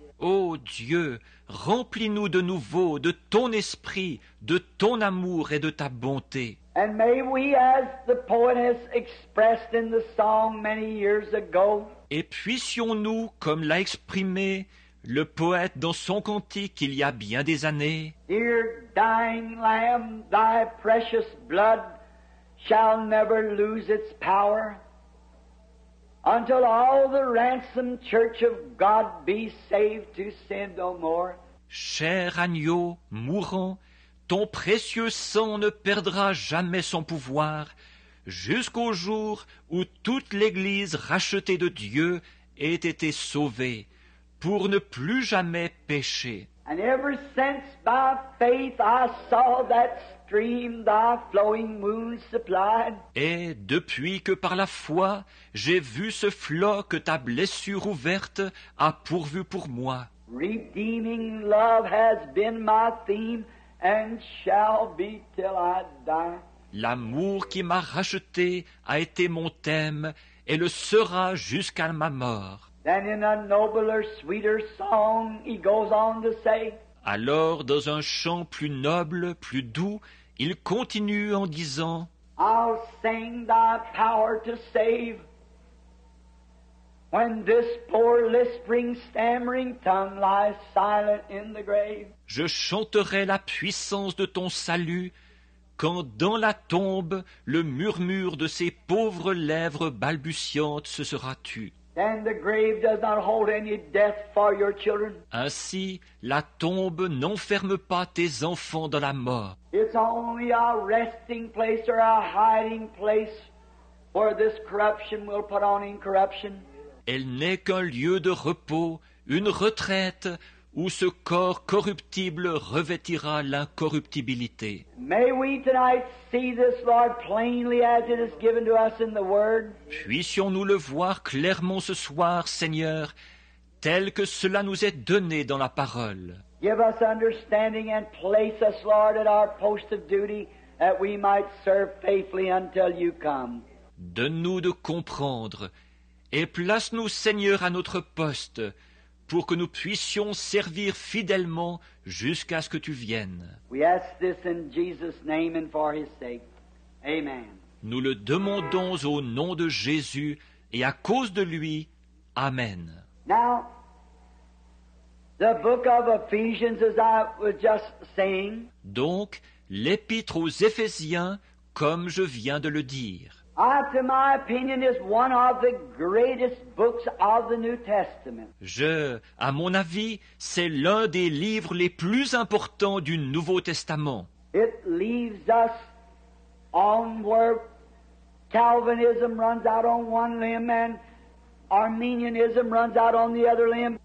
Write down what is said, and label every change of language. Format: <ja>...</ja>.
<fr>Oh Dieu, remplis-nous de nouveau de ton esprit, de ton amour et de ta bonté.</fr> <en>And may we, as the poet has expressed in the song many years ago,</en> <fr>et puissions-nous, comme l'a exprimé le poète dans son cantique il y a bien des années,</fr> <en>dear dying lamb, thy precious blood shall never lose its power until all the ransomed church of God be saved to sin no more.</en> <fr>Cher agneau mourant, ton précieux sang ne perdra jamais son pouvoir jusqu'au jour où toute l'Église rachetée de Dieu ait été sauvée pour ne plus jamais pécher.</fr> <en>And ever since by faith I saw that stream thy flowing moon supplied.</en> <fr>Et depuis que par la foi j'ai vu ce flot que ta blessure ouverte a pourvu pour moi.</fr> <en>Redeeming love has been my theme and shall be till I die.</en> <fr>L'amour qui m'a racheté a été mon thème et le sera jusqu'à ma mort.</fr> <en>Then in a nobler, sweeter song he goes on to say,</en> <fr>alors dans un chant plus noble, plus doux, il continue en disant,</fr> <en>I'll sing thy power to save when this poor lisping, stammering tongue lies silent in the grave.</en> <fr>Je chanterai la puissance de ton salut quand dans la tombe le murmure de ces pauvres lèvres balbutiantes se sera tu.</fr> <en>And the grave does not hold any death for your children.</en> <fr>Ainsi, la tombe n'enferme pas tes enfants dans la mort.</fr> <en>It's only a resting place or a hiding place where this corruption will put on incorruption.</en> <fr>Elle n'est qu'un lieu de repos, une retraite où ce corps corruptible revêtira l'incorruptibilité.</fr> <en>May we tonight see this, Lord, plainly as it is given to us in the Word.</en> <fr>Puissions-nous le voir clairement ce soir, Seigneur, tel que cela nous est donné dans la parole.</fr> <en>Give us understanding and place us, Lord, at our post of duty, that we might serve faithfully until you come.</en> <fr>Donne-nous de comprendre et place-nous, Seigneur, à notre poste, pour que nous puissions servir fidèlement jusqu'à ce que tu viennes.</fr> <en>We ask this in Jesus' name and for his sake. Amen.</en> <fr>Nous le demandons au nom de Jésus et à cause de lui. Amen.</fr> <en>Now, the book of Ephesians, as I was just saying,</en> <fr>donc, l'Épître aux Éphésiens, comme je viens de le dire,</fr> <en>to my opinion, is one of the greatest books of the New Testament.</en> <fr>À mon avis, c'est l'un des livres les plus importants du Nouveau Testament.</fr> <en>It leaves us on where Calvinism runs out on one limb and Arminianism runs out on the other limb.</en>